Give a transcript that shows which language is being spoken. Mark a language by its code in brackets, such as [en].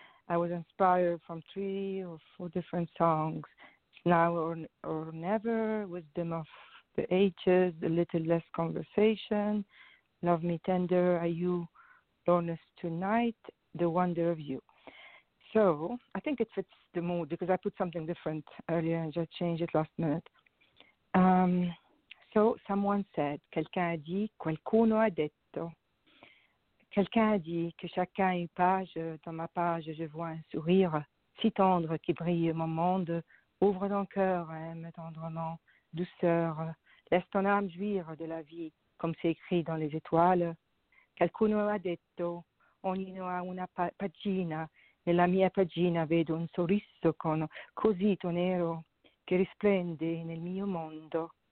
[en] I was inspired from 3 or 4 different songs, Now or Never, Wisdom of the Ages, A Little Less Conversation, Love Me Tender, Are You Lonely Tonight, The Wonder of You. So I think it fits the mood because I put something different earlier and just changed it last minute. So someone said, [fr] quelqu'un a dit, [it] qualcuno a detto. [fr] Quelqu'un a dit que chacun une page, dans ma page je vois un sourire si tendre qui brille mon monde, ouvre ton cœur, aime tendrement, douceur, laisse ton âme jouir de la vie, comme c'est écrit dans les étoiles. [it] Qualcuno a detto, ognuno ha una pagina, nella mia pagina vedo un sorriso con cosito nero che risplende nel mio mondo.